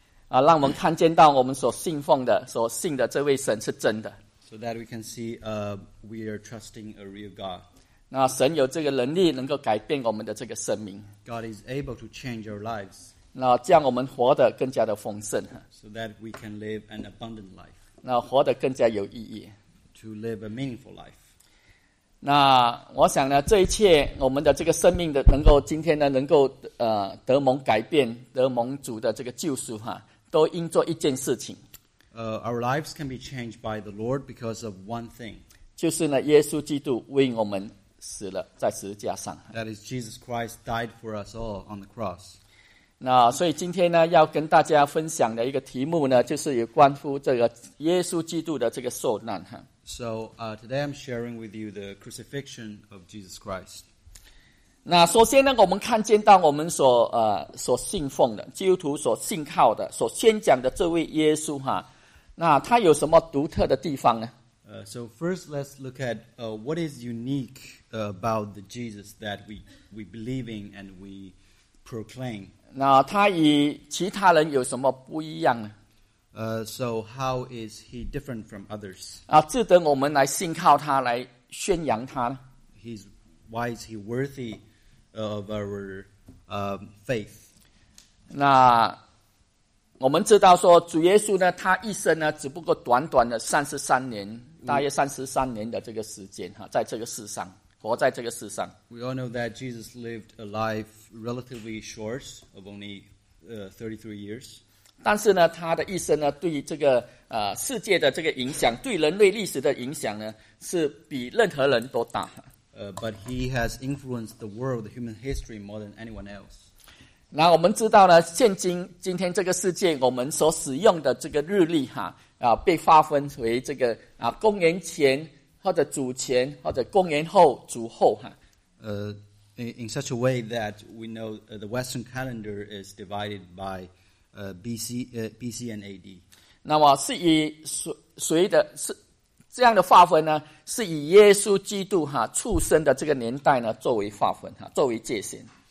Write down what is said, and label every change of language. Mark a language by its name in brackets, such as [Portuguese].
[Chinese] 让我们看见到我们所信奉的、所信的这位神是真的。 [English] So that we can see, we are trusting a real God. [Chinese] 那神有这个能力，能够改变我们的这个生命。 [English] God is able to change our lives. [Chinese] 那将我们活得更加的丰盛。 [English] So that we can live an abundant life. [Chinese] 那活得更加有意义。 [English] To live a meaningful life. [Chinese] 那我想呢，这一切我们的这个生命的能够今天呢，能够得蒙改变，得蒙主的这个救赎哈，都因做一件事情。 [English] Our lives can be changed by the Lord because of one thing. [Chinese] 就是呢，耶稣基督为我们死了，在十字架上。 [English] That is Jesus Christ died for us all on the cross. [Chinese] 那所以今天呢，要跟大家分享的一个题目呢，就是有关乎这个耶稣基督的这个受难哈。 [English] So, today I'm sharing with you the crucifixion of Jesus Christ. [Chinese] 那首先呢，我们看见到我们所信奉的基督徒所信靠的所宣讲的这位耶稣哈，那他有什么独特的地方呢？ [English] So first, let's look at what is unique about the Jesus that we believe in and we proclaim. [Chinese] 那他与其他人有什么不一样呢？ [English] So how is he different from others? [Chinese] 值得我们来信靠他，来宣扬他呢。 [English] Why is he worthy of our faith? [Chinese] 那我们知道说主耶稣呢，他一生呢只不过短短的33年，大约33年的这个时间哈，在这个世上活在这个世上。 [English] We all know that Jesus lived a life relatively short of only 33 years. [Chinese] 但是呢，他的一生呢，对于这个世界的这个影响，对人类历史的影响呢，是比任何人都大。 [English] But he has influenced the world, the human history more than anyone else. [Chinese] 那我们知道呢，现今今天这个世界，我们所使用的这个日历哈啊，被划分为这个啊公元前。或者主前，或者公元后、主后，哈。 [English] In such a way that we know the Western calendar is divided by BC and AD. [Chinese] 那么是以谁的是这样的划分呢？是以耶稣基督哈出生的这个年代呢作为划分哈，作为界限。